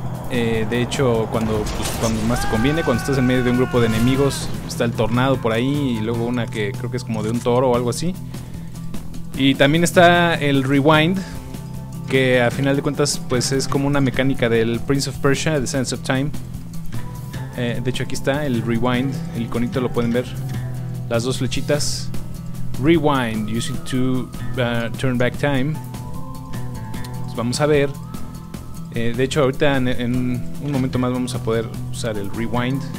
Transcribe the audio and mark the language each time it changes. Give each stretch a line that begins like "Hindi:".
Spanish: de hecho, cuando más te conviene, cuando estás en medio de un grupo de enemigos, está el tornado por ahí y luego una que creo que es como de un toro o algo así. Y también está el Rewind, que a final de cuentas pues es como una mecánica del Prince of Persia, The Sands of Time. De hecho aquí está el Rewind, el iconito lo pueden ver, las dos flechitas.
English: Rewind, using to turn back time.
Spanish: Entonces, vamos a ver. De hecho, ahorita en un momento más vamos a poder usar el Rewind.